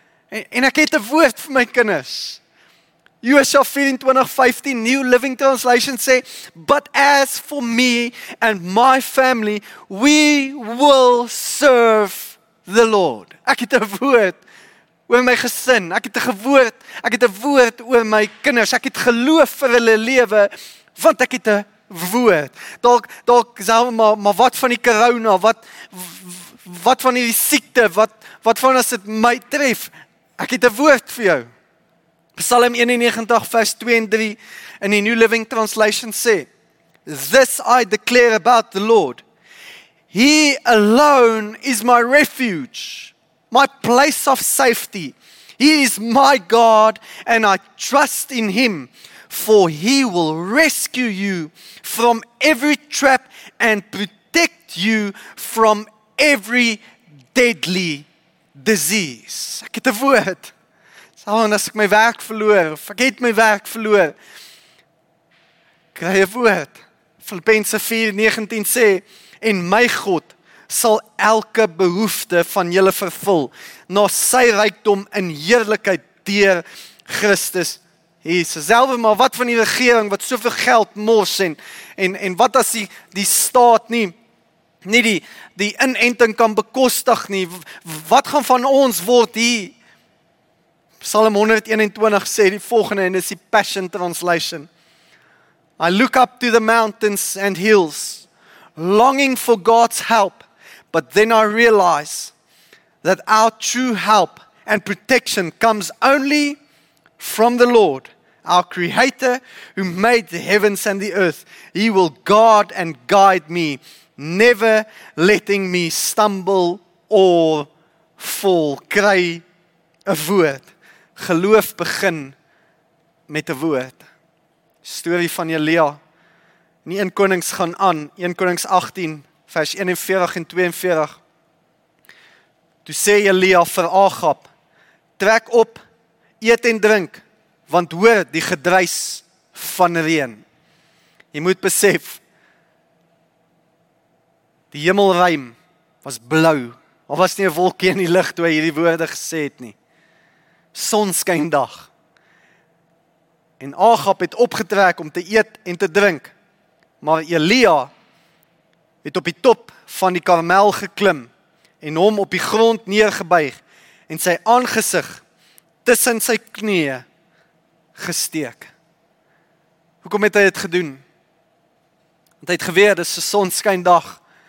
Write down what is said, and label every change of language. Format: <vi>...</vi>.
<af>En ek het 'n woord vir my kinders.</af> <en>Joshua 24:15 New Living Translation</en> <af>sê,</af> <en>but as for me and my family, we will serve the Lord.</en> <af>Ek het 'n woord oor my gesin. Ek het 'n woord oor my kinders. Ek het geloof vir hulle lewe, want ek het 'n woord. Dalk self, maar wat van die corona? Wat van die siekte? Wat van as dit my tref? Ek het 'n woord vir jou. Psalm 91 vers 2 en 3 in die</af> <en>New Living Translation</en> <af>sê,</af> <en>this I declare about the Lord. He alone is my refuge, my place of safety. He is my God and I trust in Him, for He will rescue you from every trap and protect you from every deadly disease.</en> <af>Ek het 'n woord. En as ek my werk verloor, of ek het my werk verloor, kry 'n woord. Filippense 4:19 sê, en my God sal elke behoefte van julle vervul, na sy rykdom in heerlikheid deur Christus Jesus. Selfe maar, wat van die regering, wat soveel geld mors, en wat as die staat nie die inenting kan bekostig nie, wat gaan van ons word hier? Psalm 121 sê die volgende, en dit is die Passion Translation.</af> <en>I look up to the mountains and hills, longing for God's help, but then I realize that our true help and protection comes only from the Lord, our Creator, who made the heavens and the earth. He will guard and guide me, never letting me stumble or fall.</en> <af>Kry 'n woord. Geloof begin met 'n woord. Storie van Elia. In 1 Konings gaan aan. 1 Konings 18 vers 41 en 42. Toe sê Elia vir Agab, trek op, eet en drink, want hoor die gedruis van reën. Jy moet besef, die hemelruim was blou. Daar was nie 'n wolkie in die lug toe hy hierdie woorde gesê het nie. Sonskyndag. En Agab het opgetrek om te eet en te drink. Maar Elia het op die top van die Karmel geklim en hom op die grond neergebuig en sy aangesig tussen sy knieë gesteek. Hoekom het hy dit gedoen? Want hy het geweet dis 'n sonskyn dag.</af>